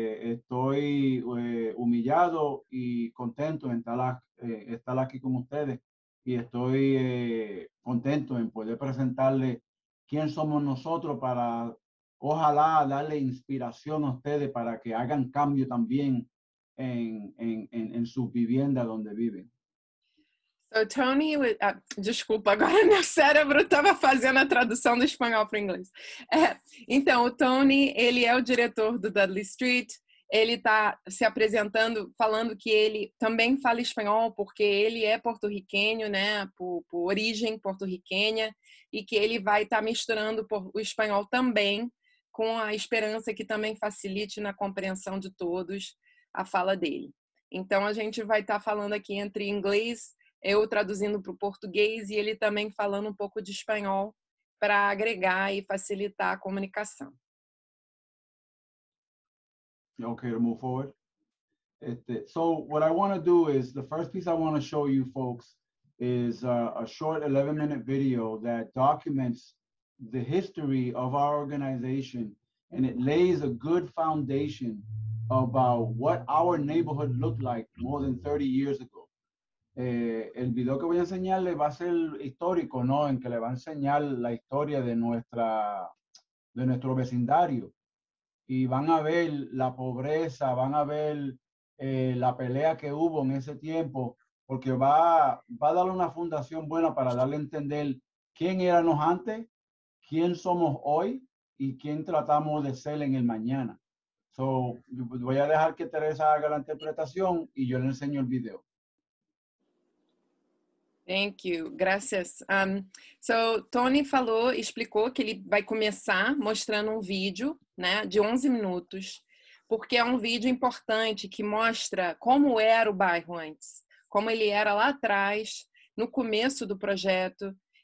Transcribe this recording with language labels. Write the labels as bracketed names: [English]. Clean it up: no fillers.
[Spanish] Estoy humillado y contento de estar aquí con ustedes y estoy contento en poder presentarles quién somos nosotros para ojalá darle inspiración a ustedes para que hagan cambio también en su vivienda donde viven. [Portuguese] So, Tony, desculpa, agora meu cérebro estava fazendo a tradução do espanhol para o inglês. Então, o Tony, ele é o diretor do Dudley Street. Ele está se apresentando, falando que ele também fala espanhol, porque ele é porto-riquenho, né? Por origem porto-riquenha, e que ele vai estar misturando o espanhol também, com a esperança que também facilite na compreensão de todos a fala dele. Então, a gente vai estar falando aqui entre inglês. Eu traduzindo para o português e ele também falando um pouco de espanhol para agregar e facilitar a comunicação. [English] Okay, to move forward. So what I want to do is the first piece I want to show you folks is a short 11-minute video that documents the history of our organization, and it lays a good foundation about what our neighborhood looked like more than 30 years ago. [Spanish] El video que voy a enseñarle va a ser histórico, ¿no? En que le va a enseñar la historia de nuestra, de nuestro vecindario. Y van a ver la pobreza, van a ver la pelea que hubo en ese tiempo, porque va a darle una fundación buena para darle a entender quién éramos antes, quién somos hoy y quién tratamos de ser en el mañana. [English] So, [Spanish] voy a dejar que Teresa haga la interpretación y yo le enseño el video. [English] Thank you, [Spanish] gracias. [Portuguese] So, Tony falou, explicou que ele vai começar mostrando um vídeo, né, de 11 minutos, porque é um vídeo importante que mostra como era o bairro antes, como ele era lá atrás, no começo do projeto.